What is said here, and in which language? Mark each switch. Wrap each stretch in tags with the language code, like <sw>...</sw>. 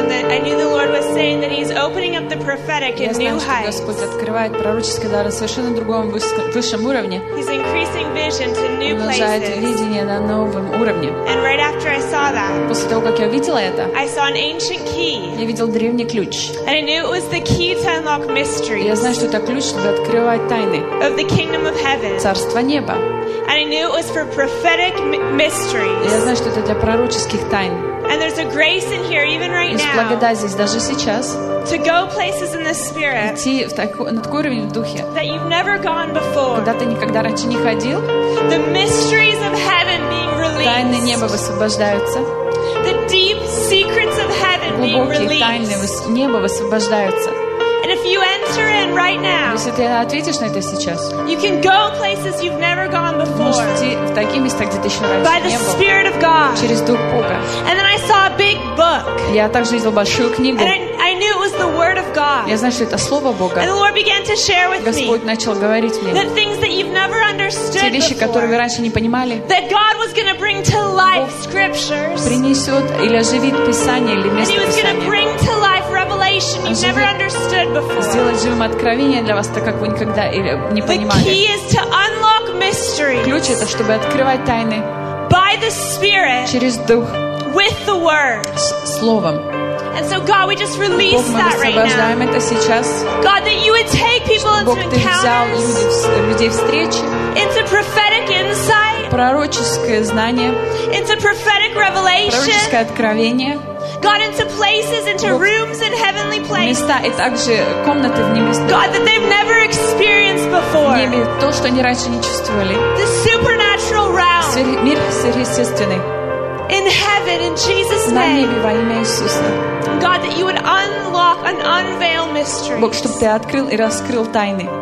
<en>And I knew the Lord was saying that He's opening up the prophetic in new heights.</en> <ru>Господь открывает пророческие дары совершенно другом высшем уровне.</ru> <en>He's increasing vision to new places.</en> <ru>Умножает видение на новом уровне.</ru> <en>And right after I saw that.</en> <ru>После того как я увидела это.</ru> <en>I saw an ancient key.</en> <ru>Я видел древний ключ.</ru> <en>And I knew it was the key to unlock mysteries.</en> <ru>Я знаю, что это ключ, чтобы открывать тайны.</ru> <en>Of the kingdom of heaven.</en> <ru>Царство неба.</ru> <en>And I knew it was for prophetic mysteries.</en> <ru>Я знаю, что это для пророческих тайн.</ru> <en>And there's a grace in here even right now.</en> <ru>Есть благодать здесь даже сейчас.</ru> <en>To go places in the spirit.</en> <ru>Идти в такой, на такой уровень в духе.</ru> <en>That you've never gone before.</en> <ru>Куда ты никогда раньше не ходил.</ru> <en>The mysteries of heaven being released.</en> <ru>Тайны неба высвобождаются.</ru> <en>The deep secrets of heaven being released.</en> <ru>Глубокие тайны неба высвобождаются.</ru> <en>And if you enter in right now,</en> <ru>если ты ответишь на это сейчас,</ru> <en>you can go places you've never gone before.</en> <ru>Можешь идти в такие места, где ты еще раньше не был.</ru> <en>By the Spirit of God.</en> <ru>Через Дух Бога.</ru> <en>And then I saw a big book.</en> <ru>Я также видел большую книгу.</ru> <en>And I knew it was the Word of God.</en> <ru>Я знаю, что это Слово Бога.</ru> <en>And the Lord began to share with me.</en> <ru>Господь начал говорить мне.</ru> <en>The things that you've never understood.</en> <ru>Те вещи, которые вы раньше не понимали.</ru> <en>That God was going to bring to life Scriptures.</en> <ru>Принесет или оживит Писание или место Писания.</ru> <en>And He was going to bring to life revelation you've never understood before.</en> <ru>Сделать живым откровение для вас, так как вы никогда не понимали.</ru> <en>The key is to unlock mysteries.</en> <ru>Ключ это чтобы открывать тайны.</ru> <en>By the Spirit.</en> <ru>Через Дух.</ru> <en>With the Word.</en> <ru>Словом.</ru> <en>And so God, we just release</en> <ru>Бог,</ru> <en>that right now.</en> <ru>Мы освобождаем это сейчас.</ru> <en>God, that you would take people</en> <ru>Бог,</ru> <en>into encounters.</en> <ru>Ты взял людей встречи.</ru> <en>Into prophetic insight.</en> <ru>Пророческое знание.</ru> <en>Into prophetic revelation.</en> <ru>Пророческое откровение.</ru> <en>God, into places, into rooms and heavenly places.</en> <ru>Места и также комнаты в небесных.</ru> <en>God, that they've never experienced before.</en> <ru>В небе то, что они раньше не чувствовали.</ru> <en>The supernatural realm.</en> <ru>Мир сверхъестественный.</ru> <en>In heaven, in Jesus' name.</en> <ru>На небе во имя Иисуса.</ru> <en>God, that you would unlock and unveil mysteries.</en> <ru>Бог, чтобы ты открыл и раскрыл тайны.</ru>